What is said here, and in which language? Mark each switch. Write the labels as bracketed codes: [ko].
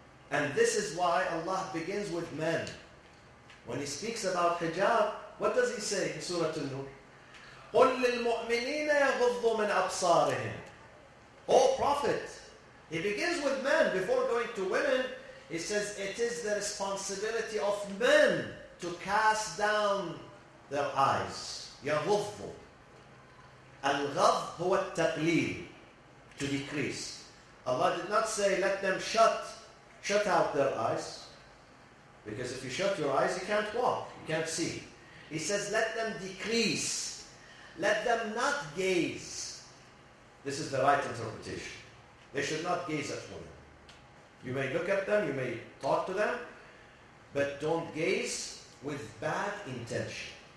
[en] And this is why Allah begins with men. When He speaks about hijab, what does He say in Surah An-Nur? [ar] قُلْ لِلْمُؤْمِنِينَ يَغُضُّوا مِنْ أَبْصَارِهِمْ [en] O Prophet, He begins with men. Before going to women, He says it is the responsibility of men to cast down their eyes. [ar] يَغُضُّوا الْغَضْ هُوَ التَّقْلِيل [en] To decrease. Allah did not say let them shut out their eyes. Because if you shut your eyes, you can't walk, you can't see. He says, let them decrease. Let them not gaze. This is the right interpretation. They should not gaze at women. You may look at them, you may talk to them, but don't gaze with bad intention.